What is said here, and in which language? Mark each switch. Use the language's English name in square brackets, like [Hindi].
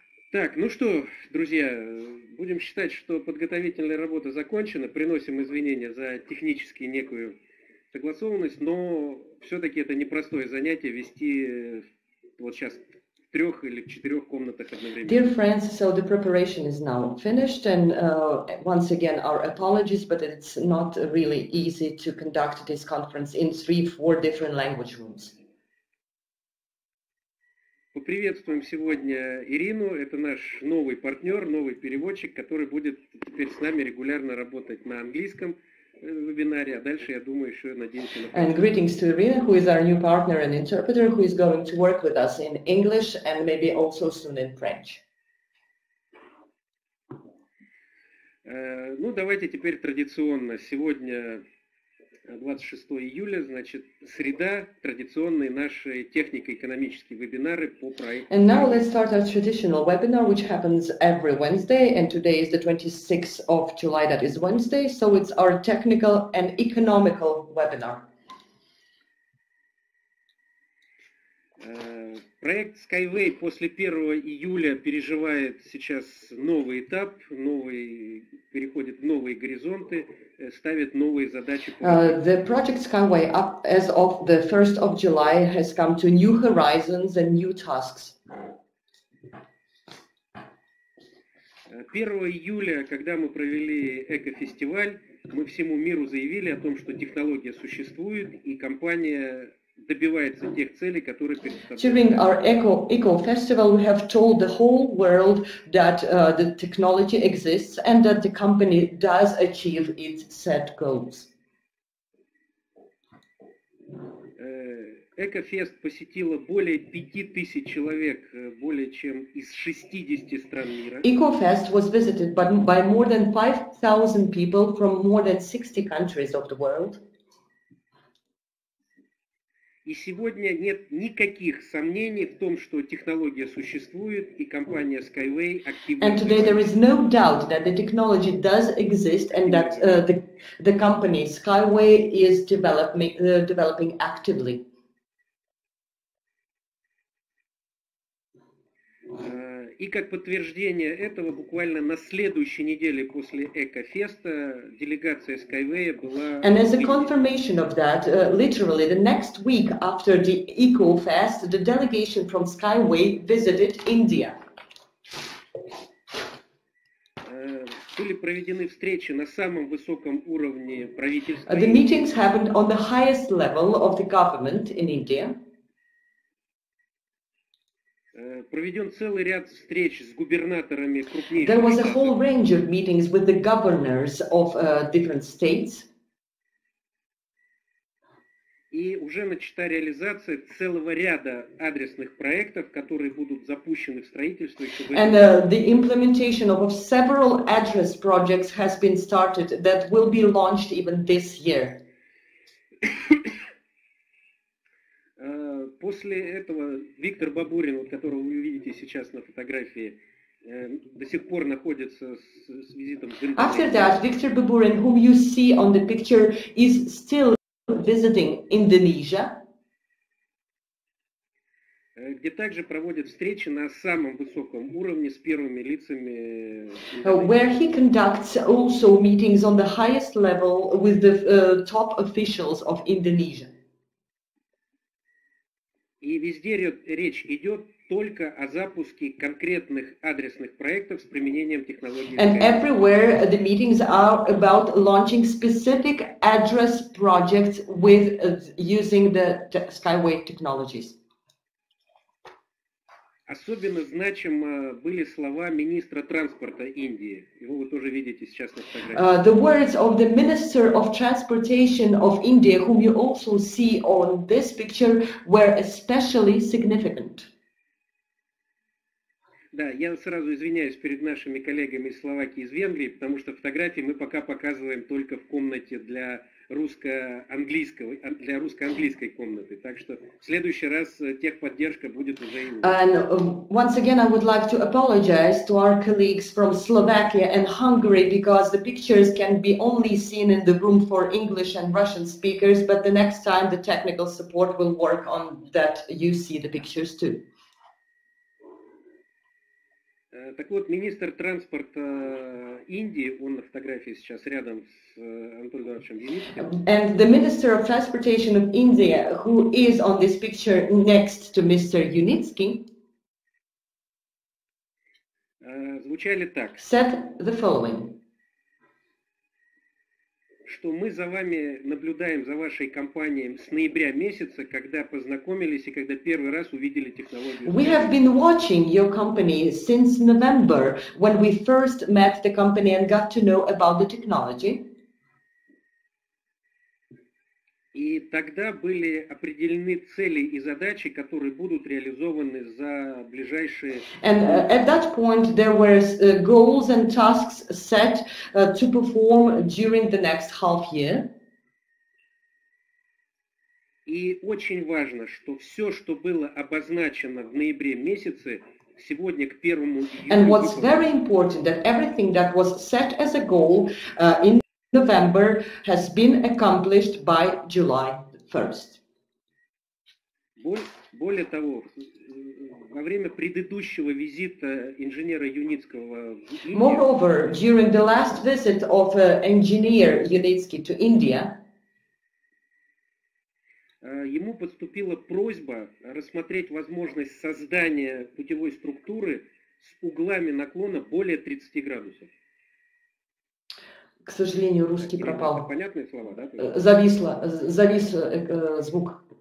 [Russian] Так, ну что, друзья, будем считать, что подготовительная работа закончена. Приносим извинения за технические некую согласованность, но все-таки это непростое занятие вести вот сейчас в трех или четырех комнатах одновременно. [English] Dear friends, so the preparation is now finished, and once again our apologies, but it's not really easy to conduct this conference in 3-4 different language rooms. [Russian] Поприветствуем сегодня Ирину, это наш новый партнер, новый переводчик, который будет теперь с нами регулярно работать на английском вебинаре, а дальше, я думаю, еще надеемся на... [English] And greetings to Irina, who is our new partner and interpreter, who is going to work with us in English and maybe also soon in French. [Russian] Ну, давайте теперь традиционно. Сегодня 26 июля, значит, среда, традиционные наши технико-экономические вебинары по проекту. [English] And now let's start our traditional webinar, which happens every Wednesday, and today is the 26th of July, that is Wednesday, so it's our technical and economical webinar. [Russian] Проект SkyWay после 1 июля переживает сейчас новый этап, переходит в новые горизонты, ставит новые задачи. [English] The project SkyWay up as of the 1st of July has come to new horizons and new tasks. [Russian] 1 июля, когда мы провели экофестиваль, мы всему миру заявили о том, что технология существует и компания добивается тех целей, которые перед собой. [English] During our eco festival, we have told the whole world that the technology exists and that the company does achieve its set goals. [Russian] Экофест посетило более 5000 человек, более чем из 60 стран мира. [English] Экофест was visited by more than 5000 people from more than 60 countries of the world. [Russian] И сегодня нет никаких сомнений в том, что технология существует и компания SkyWay активно. [English] And today there is no doubt that the technology does exist and that the company SkyWay is developing actively. [Russian] И как подтверждение этого, буквально на следующей неделе после Экофеста делегация SkyWay была... [English] And as a confirmation of that, literally the next week after the Ecofest, the delegation from SkyWay visited India. [Russian] Были проведены встречи на самом высоком уровне правительства. [English] The meetings happened on the highest level of the government in India. [Russian] Проведен целый ряд встреч с губернаторами крупнейших. [English] There was a whole range of meetings with the governors of different states. [Russian] И уже начата реализация целого ряда адресных проектов, которые будут запущены в строительство. [English] And the implementation of several address projects has been started that will be launched even this year. [Russian] После этого Виктор Бабурин, вот которого вы видите сейчас на фотографии, до сих пор находится с визитом в Индию. [English] After that, Виктор Бабурин, whom you see on the picture, is still visiting Indonesia. [Russian] Где также проводят встречи на самом высоком уровне с первыми лицами. [English] Where he conducts also meetings on the highest level with the top officials of Indonesia. [Russian] И везде речь идет только о запуске конкретных адресных проектов с применением технологии. [English] And everywhere the meetings are about launching specific address projects with using the SkyWay technologies. [Russian] Особенно значимы были слова министра транспорта Индии. Его вы тоже видите сейчас на фотографии. [English] The words of the Minister of Transportation of India, whom you also see on this picture, were especially significant. [Russian] Да, я сразу извиняюсь перед нашими коллегами из Словакии, из Венгрии, потому что фотографии мы пока показываем только в комнате для русско-английского, для русско-английской комнаты. Так что в следующий раз техподдержка будет уже и... [English] And once again, I would like to apologize to our colleagues from Slovakia and Hungary, because the pictures can be only seen in the room for English and Russian speakers, but the next time the technical support will work on that, you see the pictures too. [Russian] Так вот, министр транспорта Индии, он на фотографии сейчас рядом с Анатолием Ивановичем Яничкиным. [English] And the Minister of Transportation of India, who is on this picture next to Mr. Yunitsky, [Russian] звучали так. [English] Said the following. [Russian] Что мы за вами наблюдаем, за вашей компанией с ноября месяца, когда познакомились и когда первый раз увидели технологию. [English] We have been watching your company since November, when we first met the company and got to know about the technology. [Russian] И тогда были определены цели и задачи, которые будут реализованы за ближайшие... [English] And at that point there were goals and tasks set to perform during the next half year. [Russian] И очень важно, что все, что было обозначено в ноябре месяце, сегодня к первому... [English] And what's very important, that everything that was set as a goal in November has been accomplished by July 1st. [Russian] Более того, во время предыдущего визита инженера Юницкого в Индию. [English] Moreover, during the last visit of engineer Yunitsky to India, [Russian] ему поступила просьба рассмотреть возможность создания путевой структуры с углами наклона более 30 градусов. К сожалению, русский пропал. Понятные слова, да? Завис звук.